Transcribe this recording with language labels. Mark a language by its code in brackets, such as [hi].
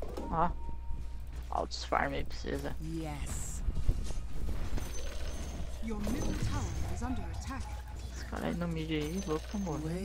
[pt] Ah, altos farm aí precisa. [en] Yes. Your middle tower is under attack. [pt] Esse cara aí no mid aí, louco, amor.